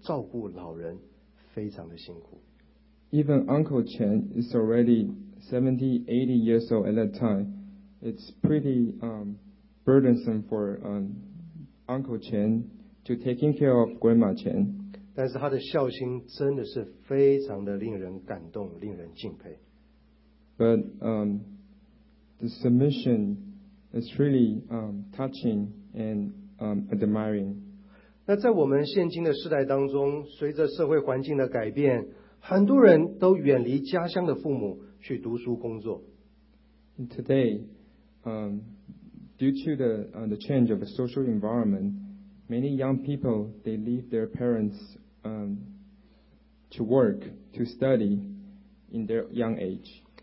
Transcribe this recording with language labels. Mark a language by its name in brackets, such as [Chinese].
[Chinese] 钱伯伯那时候自己都已经七八十岁了，老人照顾老人非常的辛苦。 [English] Even Uncle Chen is already 70, 80 years old at that time. It's pretty burdensome for Uncle Chen to taking care of Grandma Chen. [Chinese] 但是他的孝心真的是非常的令人感动，令人敬佩。 [English] But the submission is really touching and admiring. [Chinese] 那在我们现今的世代当中，随着社会环境的改变，很多人都远离家乡的父母去读书工作。 [English] Today, due to the change of the social environment, many young people they leave their parents to work to study in their young age.